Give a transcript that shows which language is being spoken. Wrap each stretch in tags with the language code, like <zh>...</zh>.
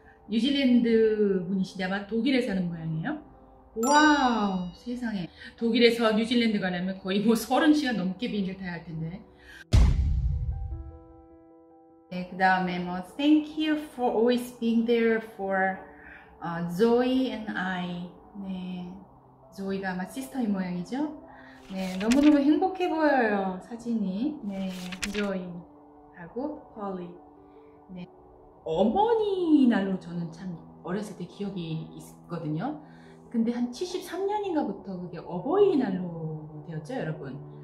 <ko>뉴질랜드 분이시데 아마 독일에 사는 모양이에요. 와우, 세상에. 독일에서 뉴질랜드 가려면 거의 뭐 30시간 넘게 비행기를 타야 할 텐데. 네, 그 다음에 뭐</ko> <en>Thank you for always being there for Zoe and I.</en> <ko>네, Zoe가 아마 시스터인 모양이죠. 네, 너무너무 행복해 보여요, 사진이. 네, Zoe하고 Polly. 네. 어머니 날로 저는 참 어렸을 때 기억이 있거든요. 근데 한 73년인가부터 그게 어버이날로 되었죠, 여러분.</ko>